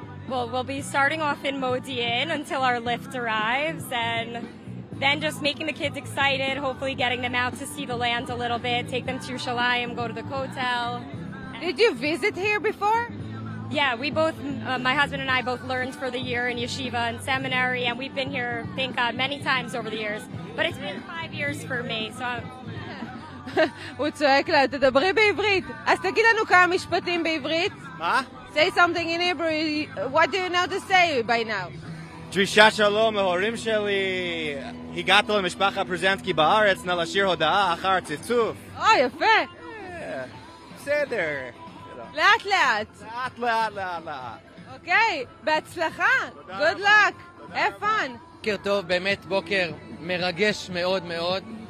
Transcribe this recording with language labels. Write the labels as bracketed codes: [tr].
[en] Well, we'll be starting off in Modi'in until our lift arrives, and then just making the kids excited, hopefully getting them out to see the land a little bit, take them to Yerushalayim, go to the Kotel. Did you visit here before? Yeah, we both, my husband and I both learned for the year in yeshiva and seminary, and we've been here, thank God, many times over the years. But it's been 5 years for me, so I'm... [he] הוא צועק לה, תדברי בעברית. אז תגיד לנו כמה משפטים בעברית. מה? [en] Say something in Hebrew. What do you know to say by now? [he] דרישה שלום להורים שלי. הגעתי למשפחה פרוזנסקי בארץ, נא לשיר הודעה אחר צפצוף. אוי, יפה. בסדר. לאט לאט. לאט לאט לאט לאט. אוקיי, בהצלחה. [en] Good luck. Have fun. [he] בוקר טוב, באמת בוקר מרגש מאוד מאוד.